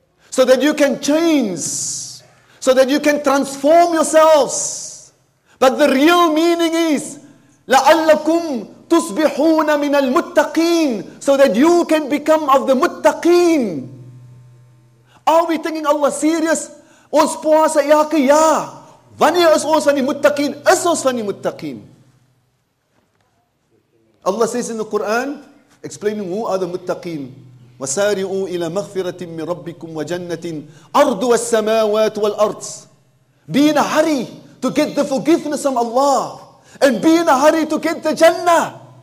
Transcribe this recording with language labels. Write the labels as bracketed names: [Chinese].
[English] So that you can change. So that you can transform yourselves. But the real meaning is, [Arabic] لَعَلَّكُمْ تُصْبِحُونَ مِنَ الْمُتَّقِينَ. [English] So that you can become of the muttaqeen. Are we thinking Allah serious? [Afrikaans] Ons puasa elke jaar. Wanneer is ons van die muttaqeen? Is ons van die muttaqeen? [English] Allah says in the Quran, explaining who are the muttaqeen. [Arabic] وَسَارِعُوا إِلَى مَغْفِرَةٍ مِّن رَبِّكُمْ وَجَنَّةٍ أَرْضُ وَالسَّمَاوَاتُ وَالْأَرْضِ. [English] Be in a hurry to get the forgiveness from Allah. And be in a hurry to get the Jannah.